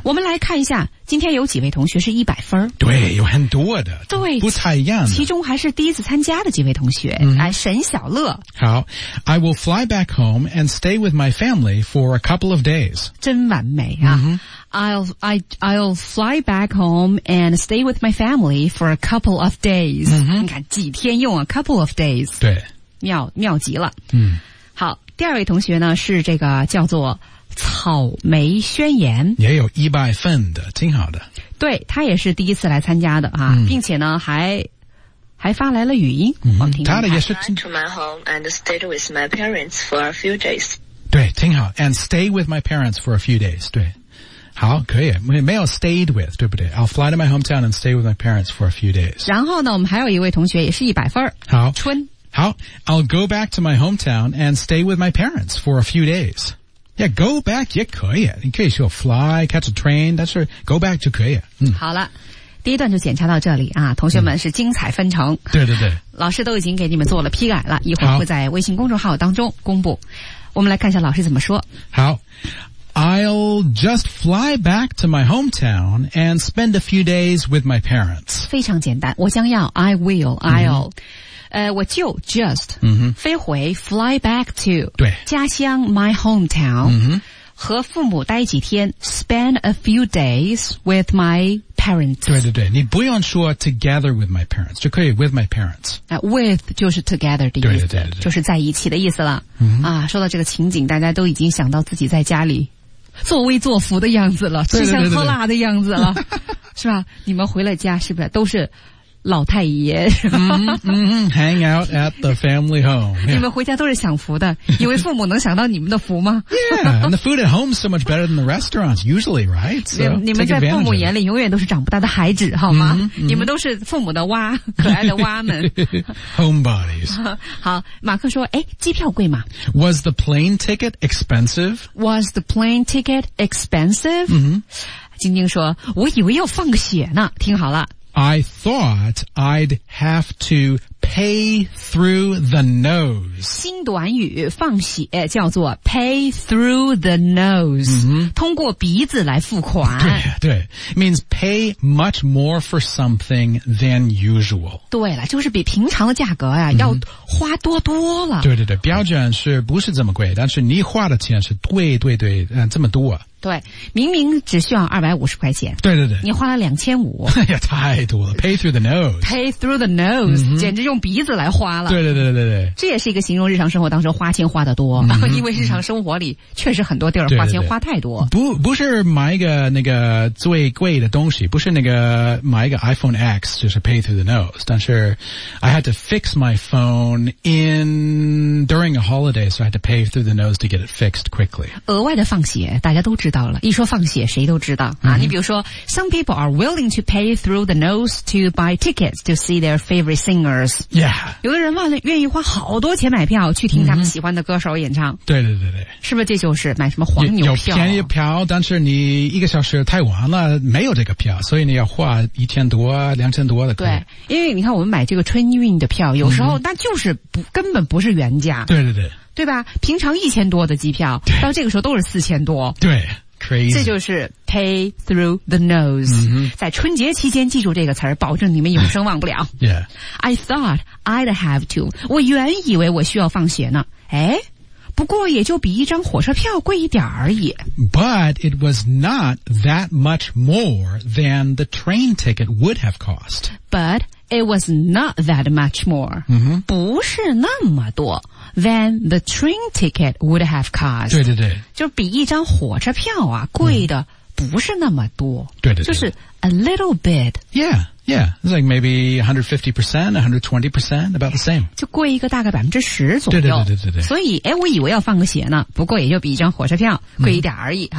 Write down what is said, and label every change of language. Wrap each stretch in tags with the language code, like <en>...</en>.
<zh>我们来看一下，今天有几位同学是100分？对，有很多的，对，不太一样的。其中还是第一次参加的几位同学，哎、嗯，沈小乐。</zh> <en>好 ，I will fly back home and stay with my family for a couple of days.</en> <zh>真完美啊！嗯</zh> <en>I'll fly back home and stay with my family for a couple of days.、 Mm-hmm.</en> <zh>你看几天用啊 ？</zh> <en>Couple of days.</en> <zh>对，妙极了。嗯，好，第二位同学呢是这个叫做草莓宣言，也有100分的，挺好的。对，他也是第一次来参加的啊，嗯、并且呢还发来了语音，我们听他的也是。</zh> <en>To my home and stayed with my parents for a few days.</en> <zh>对，挺好。</zh> <en>And stay with my parents for a few days.</en> <zh>对。好，可以，没有 stayed with， 对不对？</zh> <en>I'll fly to my hometown and stay with my parents for a few days。</en> <zh>然后呢，我们还有一位同学也是100分。好，春。</zh> <en>好， I'll go back to my hometown and stay with my parents for a few days。 Yeah, go back</en> <zh>也可以。你可以说</zh> <en>fly, catch a train, that's right, go back 就可以。</en> <zh>嗯，好了。第一段就剪掐到这里啊，同学们是精彩纷呈。嗯，对对对。老师都已经给你们做了批改了，一会儿会在微信公众号当中公布。我们来看一下老师怎么说。好。</zh> <en>I'll just fly back to my hometown and spend a few days with my parents.</en> <zh>非常简单，我将要</zh> <en>I will, I'll、</en> <zh>嗯、我就 just、嗯、飞回</zh> <en>fly back to</en> <zh>对家乡</zh> <en>my hometown、嗯、</en> <zh>和父母待几天</zh> <en>spend a few days with my parents.</en> <zh>对对对，你不用说</zh> <en>together with my parents,</en> <zh>就可以 with my parents、 with 就是 together 的意思，对对对对对，就是在一起的意思了、嗯、啊，说到这个情景，大家都已经想到自己在家里作威作福的样子了，吃香喝辣的样子了，对对对对，是吧？你们回了家是不是都是老太爷</zh> <en>hang out at the family home、yeah.</en> <zh>你们回家都是享福的，以为父母能享到你们的福吗？</zh> <en>Yeah, and the food at home is so much better than the restaurants usually, right? So,</en> <zh>你们在父母眼里永远都是长不大的孩子好吗、 mm-hmm. 你们都是父母的蛙，可爱的蛙们</zh> <en>homebodies</en> <zh>好，马克说诶，机票贵吗？</zh> <en>Was the plane ticket expensive? Was the plane ticket expensive?、 Mm-hmm.</en> <zh>晶晶说我以为要放血呢，听好了，</zh> <en>I thought I'd have to pay through the nose.</en> <zh>新短语放血叫做</zh> <en>pay through the nose,、 mm-hmm.</en> <zh>通过鼻子来付款。</zh> <en>对对 ,means pay much more for something than usual.</en> <zh>对了，就是比平常的价格啊、mm-hmm. 要花多多了。对对对，标准是不是这么贵，但是你花的钱是对对对、这么多。对，明明只需要250块钱。对对对。你花了2500。哎呀，太多了。</zh> <en>Pay through the nose. Pay through the nose.、 Mm-hmm.</en> <zh>简直用鼻子来花了。对对对对对。这也是一个形容日常生活当中花钱花得多。 Mm-hmm. 因为日常生活里确实很多地儿花钱花太多。对对对，不是买一个那个最贵的东西，不是那个买一个 iPhone X, 就是</zh> <en>pay through the nose.</en> <zh>但是</zh> <en>I had to fix my phone in, during a holiday, so I had to pay through the nose to get it fixed quickly.</en> <zh>额外的放血大家都知道。到了，一说放血谁都知道、 mm-hmm. 啊、你比如说</zh> <en>Some people are willing to pay through the nose to buy tickets to see their favorite singers、 yeah.</en> <zh>有的人愿意花好多钱买票去听他们喜欢的歌手演唱、 mm-hmm. 对对对对，是不是这就是买什么黄牛票、有便宜票，但是你一个小时太晚了没有这个票，所以你要花1000多2000多的，对，因为你看我们买这个春运的票有时候那、 mm-hmm. 就是不根本不是原价，对对对对吧，平常1000多的机票到这个时候都是4000多，对 crazy, 这就是</zh> <en>pay through the nose、 mm-hmm.</en> <zh>在春节期间记住这个词儿，保证你们永生忘不了、</zh> <en>yeah. I thought I'd have to,</en> <zh>我原以为我需要放血呢，诶，不过也就比一张火车票贵一点而已。</zh> <en>But it was not that much more than the train ticket would have cost. But it was not that much more.、 Mm-hmm.</en> <zh>不是那么多</zh> <en>than the train ticket would have cost.</en> <zh>对对对。就比一张火车票啊贵的不是那么多。对对对。</zh> <en>就是 a little bit. Yeah. Yeah, it's like maybe 150%, 120%, about the same.</en> <zh>就贵一个大概 10% 左右。对对对对对。所以诶，我以为要放个鞋呢，不过也就比一张火车票贵一点而已。</zh>